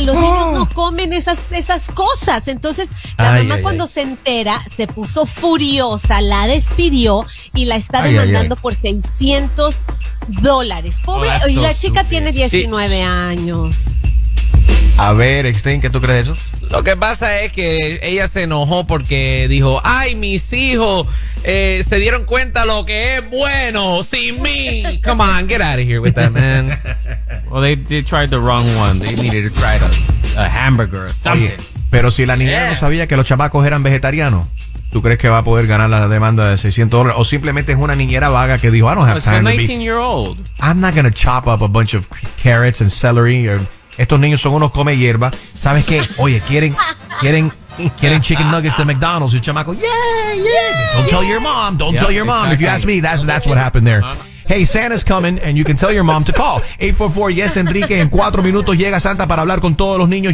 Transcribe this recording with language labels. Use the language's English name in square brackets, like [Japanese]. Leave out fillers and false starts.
[Spanish] Los niños no comen esas cosas. Entonces, la mamá, cuando se entera, se puso furiosa, la despidió y la está demandando por $600. Pobre. Y la chica tiene 19 años. A ver, Extreme, ¿qué tú crees de eso? Lo que pasa es que ella se enojó porque dijo, ay, mis hijos se dieron cuenta lo que es bueno sin mí. [English] Come on, get out of here with that, man. Well, they tried the wrong one. They needed to try a hamburger or something. [Spanish] Oye, pero si la niñera no sabía que los chamacos eran vegetarianos, ¿tú crees que va a poder ganar la demanda de $600? O simplemente es una niñera vaga que dijo, [English] I don't have time. It's a 19-year-old. I'm not going to chop up a bunch of carrots and celery or... [Spanish] Estos niños son unos come hierba. ¿Sabes qué? Oye, quieren chicken nuggets de McDonald's. Y el chamaco, [English] tell your mom. Don't tell your mom. Exactly. If you ask me, that's what happened there. Hey, Santa's coming, and you can tell your mom to call. 844-YES-ENRIQUE. [Spanish] En 4 minutos llega Santa para hablar con todos los niños.